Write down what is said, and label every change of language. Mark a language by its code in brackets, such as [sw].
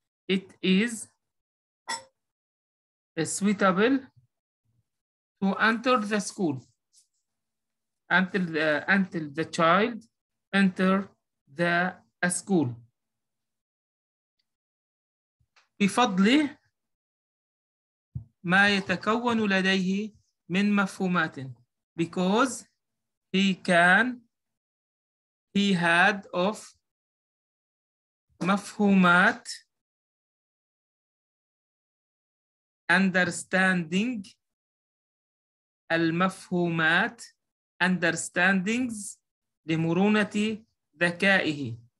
[en] It is suitable to enter the school until the child enter the school. [ar] بفضل ما يتكون لديه من مفهومات [en] because he can he had of مفهومات understanding [ar] المفهومات understandings لمرونة ذكائه.